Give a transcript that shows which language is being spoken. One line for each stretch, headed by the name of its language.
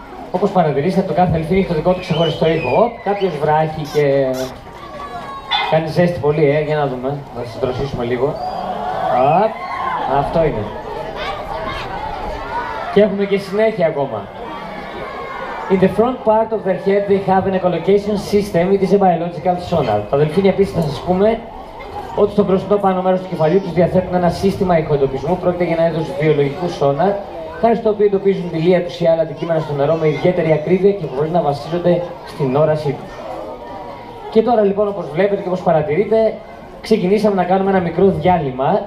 Greek: Όπως παρατηρήσατε, το κάθε δελφίνι έχει το δικό του ξεχωριστό ήχο. Οπ, κάποιος βράχει και κάνει ζέστη πολύ, για να δούμε, να συντροφήσουμε λίγο. Οπ, αυτό είναι. Και έχουμε και συνέχεια ακόμα.
English: In the front part of their head they have an echolocation system, it is a biological sonar.
Greek: Τα δελφίνια επίσης θα σας πούμε ότι στο μπροστινό πάνω μέρος του κεφαλιού τους διαθέτουν ένα σύστημα ηχοεντοπισμού, πρόκειται για ένα είδος βιολογικού σόναρ, χάρη στο οποίο εντοπίζουν τη λία τους ή άλλα αντικείμενα στο νερό με ιδιαίτερη ακρίβεια και μπορεί να βασίζονται στην όρασή του. Και τώρα λοιπόν, όπως βλέπετε και όπως παρατηρείτε, ξεκινήσαμε να κάνουμε ένα μικρό διάλειμμα.